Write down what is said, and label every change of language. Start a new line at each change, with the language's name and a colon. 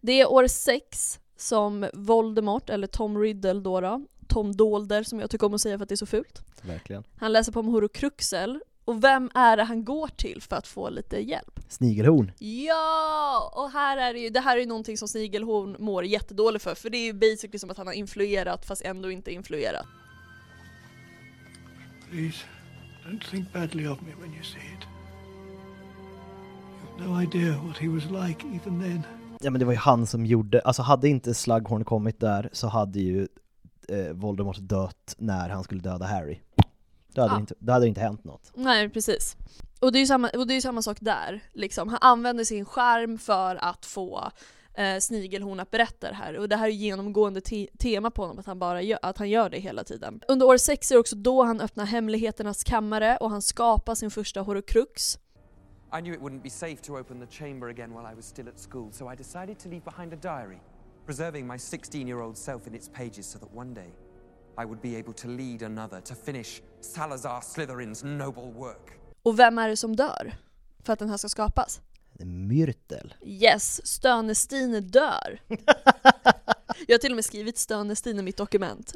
Swedish: Det är år 6 som Voldemort, eller Tom Riddle då, Tom Dolder som jag tycker om att säga för att det är så fult. Verkligen. Han läser på om Horcruxel. Och vem är det han går till för att få lite hjälp? Snigelhorn. Ja, och här är det ju, det här är ju någonting som Snigelhorn mår jättedåligt för. För det är ju basically som att han har influerat fast ändå inte influerat.
English: Please, don't think badly of me when you see it. You have no idea what he was like even then.
Swedish: Ja, men det var ju han som gjorde, alltså hade inte Slughorn kommit där så hade ju Voldemort dött när han skulle döda Harry. Det hade inte hänt något. Nej, precis. Och det är ju samma sak där. Liksom. Han använder sin skärm för att få Snigelhorn att berätta det här. Och det här är genomgående tema på honom, att han gör det hela tiden. Under år 6 är också då han öppnar hemligheternas kammare och han skapar sin första horokrux.
English: I knew it wouldn't be safe to open the chamber again while I was still at school, so I decided to leave behind a diary, preserving my 16-year-old self in its pages so that one day I would be able to lead another to finish Salazar Slytherin's noble work.
Swedish: Och vem är det som dör för att den här ska skapas? Myrtle. Yes, Stönestine dör. Jag har till och med skrivit Stönestine i mitt dokument.